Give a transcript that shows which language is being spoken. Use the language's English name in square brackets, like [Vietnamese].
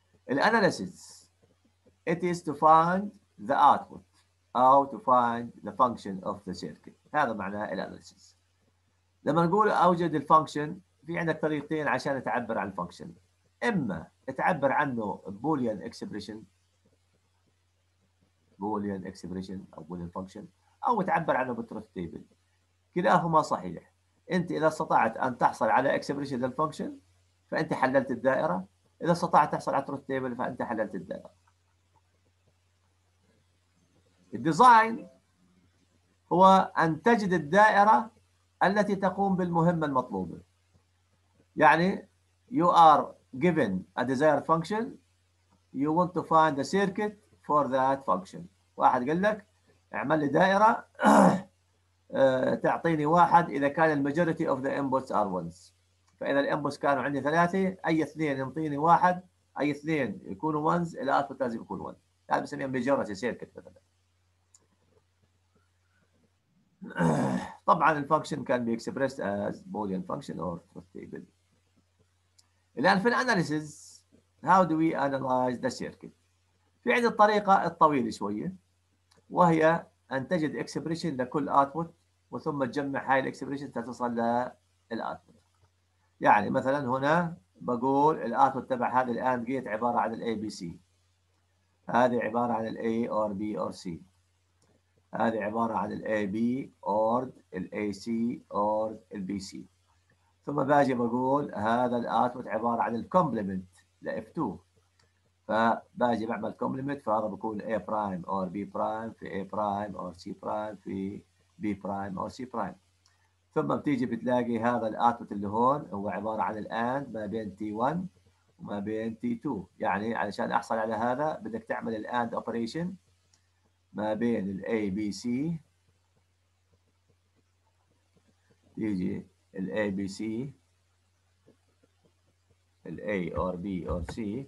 [English] الاناليسيس it is to find the output أو to find the function of the circuit. [Arabic] هذا معناه الاناليسيس. لما نقول أوجد الفانكشن، في عندك طريقتين عشان تعبر عن الفانكشن. إما تعبر عنه بوليان إكسبريشن، بوليان إكسبريشن أو بوليان فانكشن، أو تعبر عنه بالتروث تيبل. كلاهما صحيح. أنت إذا استطعت أن تحصل على إكسبريشن للفانكشن فأنت حللت الدائرة، إذا استطعت تحصل على تروث تيبل فأنت حللت الدائرة. الديزاين هو أن تجد الدائرة التي تقوم بالمهمة المطلوبة. [English] يعني you are given a desired function, you want to find the circuit for that function. [Arabic] واحد قال لك اعمل لي دائرة تعطيني واحد إذا كان [English] majority of the inputs are ones. [Arabic] فإذا الانبوتس كانوا عندي ثلاثة، أي اثنين يعطيني واحد، أي اثنين يكونوا ones، الأوتبوت لازم يكون one. هذا بسميه majority circuit مثلا. [English] طبعا الفانكشن كان be express as Boolean function or truth table. [Arabic] الان في الاناليسيس [English] how do we analyse the circuit, [Arabic] في عندي الطريقه الطويله شويه، وهي ان تجد اكسبريشن لكل اوتبوت وثم تجمع هاي الاكسبريشن تتصل للاوتبوت. يعني مثلا هنا بقول الاوتبوت تبع هذا الاند جيت عباره عن الاي بي سي، هذه عباره عن الاي اور بي اور سي، هذه عبارة عن الـ AB or الـ AC or الـ BC. ثم باجي بقول هذا الـ output عبارة عن الـ complement لـ F2، فباجي بعمل complement، فهذا بكون A prime or B prime في A prime or C prime في B prime or C prime. ثم بتيجي بتلاقي هذا الـ output اللي هون هو عبارة عن الـ AND ما بين T1 وما بين T2. يعني علشان أحصل على هذا بدك تعمل الـ AND operation ما بين الـ A B C، تيجي الـ A B C الـ A or B or C